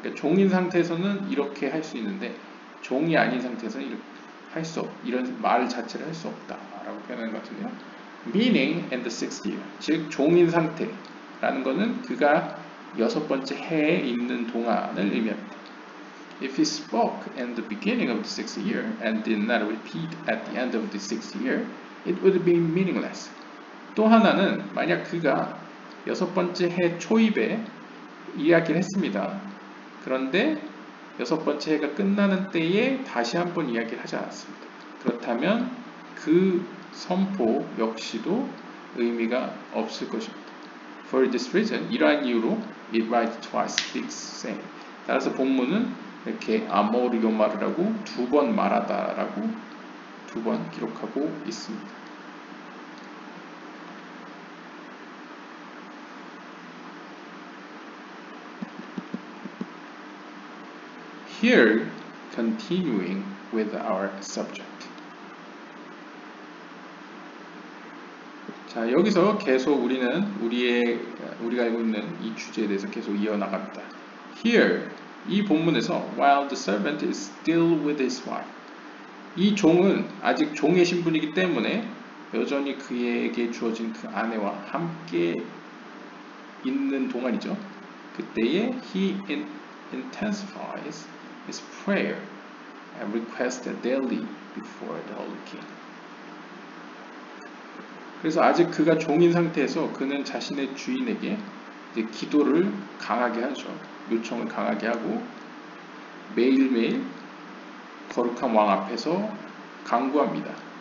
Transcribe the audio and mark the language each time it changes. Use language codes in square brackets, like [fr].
[ko] 그러니까 종인 상태에서는 이렇게 할 수 있는데 종이 아닌 상태에서는 이렇게 할 수 없, 이런 말 자체를 할 수 없다 라고 표현하는 것 같은데요. [en] Meaning in the sixth year. [ko] 즉 종인 상태라는 것은 그가 여섯 번째 해에 있는 동안을 의미합니다. [en] If he spoke in the beginning of the sixth year and did not repeat at the end of the sixth year, it would be meaningless. [ko] 또 하나는 만약 그가 여섯 번째 해 초입에 이야기를 했습니다. 그런데 여섯 번째 해가 끝나는 때에 다시 한번 이야기를 하지 않았습니다. 그렇다면 그 선포 역시도 의미가 없을 것입니다. [en] For this reason, [ko] 이러한 이유로 [en] it writes twice, speaks same. [ko] 따라서 본문은 이렇게 아모리오 말을 하고 두 번 말하다라고 두 번 기록하고 있습니다. [en] Here, continuing with our subject. [ko] 자, 여기서 계속 우리는 우리가 알고 있는 이 주제에 대해서 계속 이어나갑니다. [en] Here, [ko] 이 본문에서 [en] while the servant is still with his wife. [ko] 이 종은 아직 종의 신분이기 때문에 여전히 그에게 주어진 그 아내와 함께 있는 동안이죠. 그때에 [en] he intensifies his prayer and requests daily before the Holy King. [ko] 그래서 아직 그가 종인 상태에서 그는 자신의 주인에게 이제 기도를 강하게 하죠. 요청을 강하게 하고 매일매일 거룩한 왕 앞에서 간구합니다.